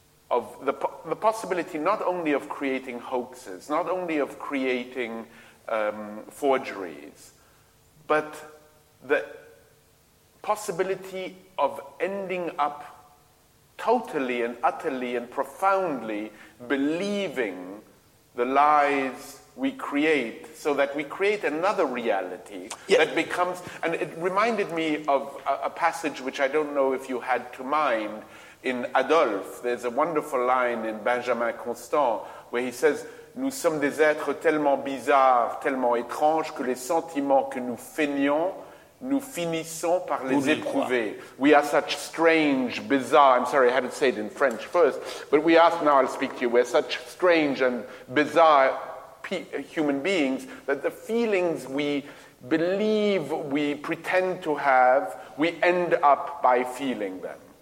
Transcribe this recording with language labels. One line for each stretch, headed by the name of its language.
English: of the possibility not only of creating hoaxes, not only of creating forgeries, but the possibility of ending up totally and utterly and profoundly believing the lies we create, so that we create another reality. Yes. That becomes, and it reminded me of a passage which I don't know if you had to mind, in Adolphe. There's a wonderful line in Benjamin Constant where he says,
French: nous sommes des êtres tellement bizarres, tellement étranges, que les sentiments que nous feignons, nous finissons par les éprouver.
English: We are such strange, bizarre, I'm sorry, I had to say it in French first, but we are, now I'll speak to you, we're such strange and bizarre human beings that the feelings we believe we pretend to have, we end up by feeling them.